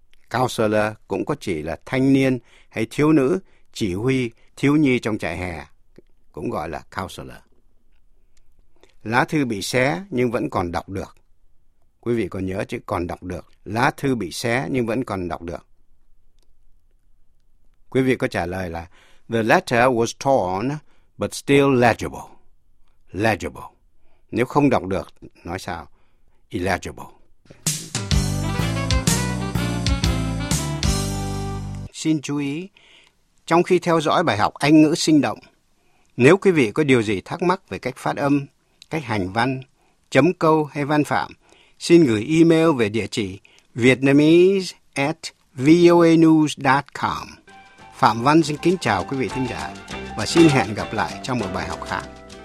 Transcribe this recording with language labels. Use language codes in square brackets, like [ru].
[vi] Counselor cũng có chỉ là thanh niên hay thiếu nữ chỉ huy thiếu nhi trong trại hè, cũng gọi là counselor. Lá thư bị xé nhưng vẫn còn đọc được. Quý vị còn nhớ chữ còn đọc được. Lá thư bị xé nhưng vẫn còn đọc được. Quý vị có trả lời là [en] the letter was torn, but still legible. Legible. [vi] Nếu không đọc được, nói sao? Illegible. Xin chú ý, trong khi theo dõi bài học Anh ngữ sinh động, Nếu quý vị có điều gì thắc mắc về cách phát âm, cách hành văn, chấm câu hay văn phạm, xin gửi email về địa chỉ vietnamese@voanews.com. Phạm Văn xin kính chào quý vị thính giả và xin hẹn gặp lại trong một bài học khác.